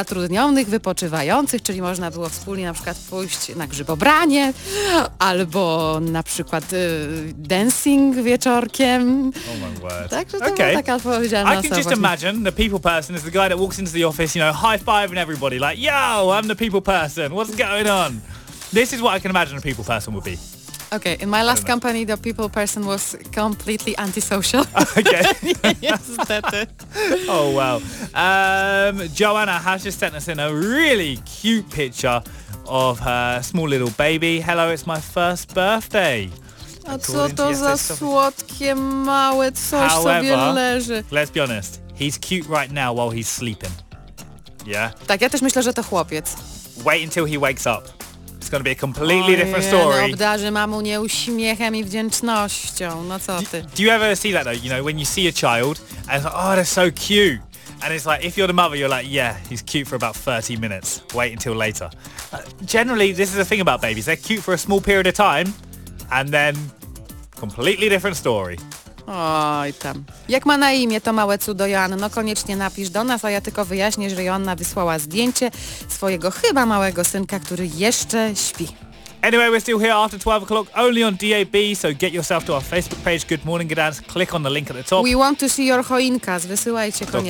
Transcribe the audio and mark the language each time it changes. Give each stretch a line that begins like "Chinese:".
Polish: Zatrudnionych, wypoczywających, czyli można było wspólnie na przykład pójść na grzybobranie, nie, albo na przykład dancing wieczorkiem.
English: Oh my word.
Polish: Także to
English: okay. I can just imagine the people person is the guy that walks into the office, you know, high-fiving everybody, like, yo, I'm the people person, what's going on? This is what I can imagine a people person would be. Okay, in my last company, the people person was completely antisocial. Okay. Yes, that's it. Oh, wow. Joanna has just sent us in a really cute picture of her small little baby. Hello, it's my first birthday.
Polish: A co to za słodkie małe coś sobie leży.
English: Let's be honest, he's cute right now while he's sleeping. Yeah?
Polish: Tak, ja też myślę, że to chłopiec.
English: Wait until he wakes up. It's going to be a completely different story.
Polish: No, obdarzy mamu nie uśmiechem i wdzięcznością. No co ty?
English: Do you ever see that though? You know, when you see a child and it's like, oh, they're so cute. And it's like, if you're the mother, you're like, yeah, he's cute for about 30 minutes. Wait until later. Generally, this is the thing about babies. They're cute for a small period of time and then completely different story.
Polish: Oj tam. Jak ma na imię to małe cudo, Joanna? No koniecznie napisz do nas, a ja tylko wyjaśnię, że Joanna wysłała zdjęcie swojego chyba małego synka, który jeszcze śpi.
English: Anyway, we're still here after 12 o'clock, only on DAB, so get yourself to our Facebook page, Good Morning Gdańsk, click on the link at the top. We want to see your choinkas,
Polish: wysyłajcie koniecznie.